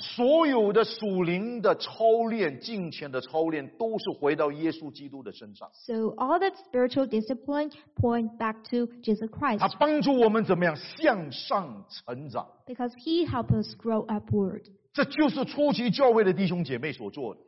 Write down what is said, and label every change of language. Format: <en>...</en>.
<zh>所有的属灵的操练敬虔的操练都是回到耶稣基督的身上</zh> <en>So all that spiritual discipline point back to Jesus Christ</en> <zh>他帮助我们怎么样向上成长</zh> <en>Because he helped us grow upward</en> <zh>这就是初期教会的弟兄姐妹所做的</zh>